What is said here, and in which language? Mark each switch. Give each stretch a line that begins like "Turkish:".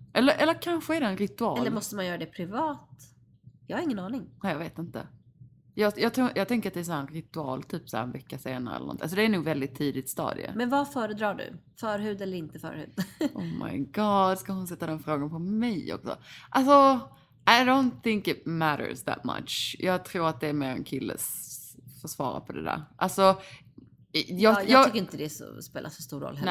Swedish: Eller kanske är det en ritual. Eller måste man göra det privat? Jag har ingen aning. Nej, jag vet inte. Jag tänker att det är så här en ritual typ så här en vecka senare eller något. Alltså det är nog väldigt tidigt stadie. Men vad föredrar du? Förhud eller inte förhud?
English: Oh my god,
Swedish: ska hon sätta den frågan på mig också?
English: Alltså, I don't think it matters that much.
Swedish: Jag tror att det är mer en killes försvara på det där. Alltså... Jag tycker inte det spelar så stor roll heller.